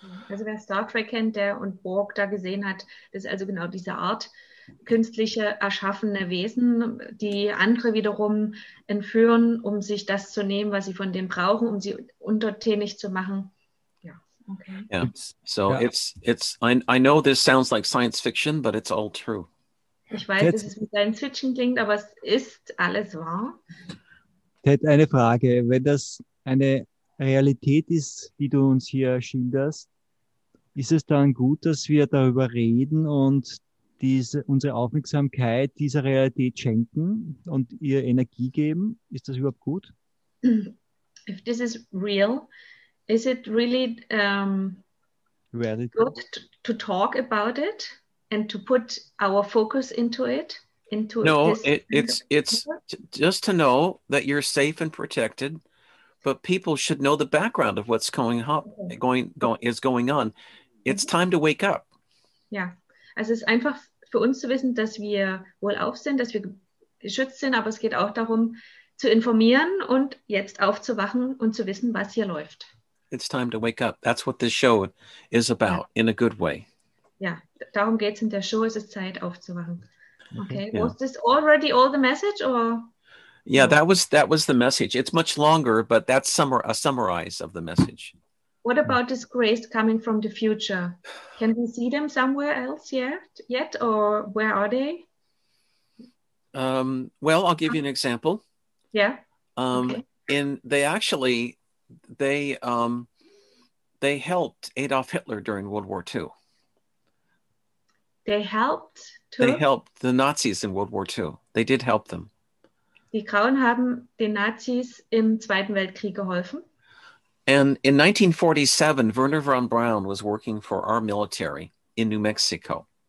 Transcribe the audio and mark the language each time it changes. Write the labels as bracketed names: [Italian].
[German] Also wer Star Trek kennt, der und Borg da gesehen hat, das ist also genau diese Art künstliche erschaffene Wesen, die andere wiederum entführen, um sich das zu nehmen, was sie von denen brauchen, um sie untertänig zu machen. Ja, okay. [English] Yeah. So yeah. It's I know this sounds like science fiction, but it's all true. [German] Ich weiß, Ted, dass es mit deinem Zwitschern klingt, aber es ist alles wahr. Ted, eine Frage. Wenn das eine Realität ist, die du uns hier schilderst, ist es dann gut, dass wir darüber reden und unsere Aufmerksamkeit dieser Realität schenken und ihr Energie geben? Ist das überhaupt gut? [English] If this is real, is it really good to talk about it? And to put our focus into it? It's just to know that you're safe and protected, but people should know the background of what's going on. It's time to wake up. [German] Ja, also es ist einfach für uns zu wissen, dass wir wohlauf sind, dass wir geschützt sind, aber es geht auch darum, zu informieren und jetzt aufzuwachen und zu wissen, was hier läuft. [English] It's time to wake up. That's what this show is about, in a good way. [German] Ja, darum geht es in der Show, es ist Zeit aufzuwachen. [English] Okay, yeah. Was this already all the message or? Yeah, that was the message. It's much longer, but that's a summarize of the message. What about this grace coming from the future? Can we see them somewhere else yet or where are they? Well, I'll give you an example. Yeah. They helped Adolf Hitler during World War II. They helped the Nazis in World War II. They did help them. [German] Die Grauen haben den Nazis im Zweiten Weltkrieg geholfen. [English] And in 1947, Wernher von Braun was working for our military in New Mexico.